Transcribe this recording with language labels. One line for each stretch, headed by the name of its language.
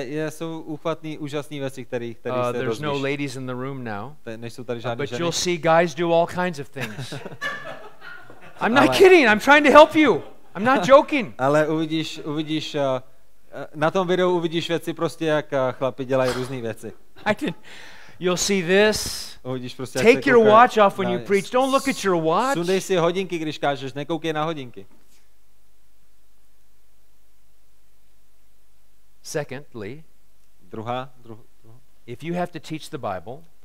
Czech: Jsou úchvatný, úžasný věci, které se
English: there's
Czech: rozmíš.
English: No ladies in the room now.
Czech: Nejsou tady žádné
English: but
Czech: ženy.
English: You'll see guys do all kinds of things. I'm not kidding. I'm trying to help you. I'm not joking.
Czech: Ale uvidíš na tom videu uvidíš věci prostě jak chlapi dělají různé věci.
English: You'll see this.
Czech: Uvidíš prostě.
English: Take your watch off when you preach. Don't look at your watch.
Czech: Sundej si hodinky, když kážeš, nekoukej na hodinky.
English: Secondly, if you have to teach the Bible,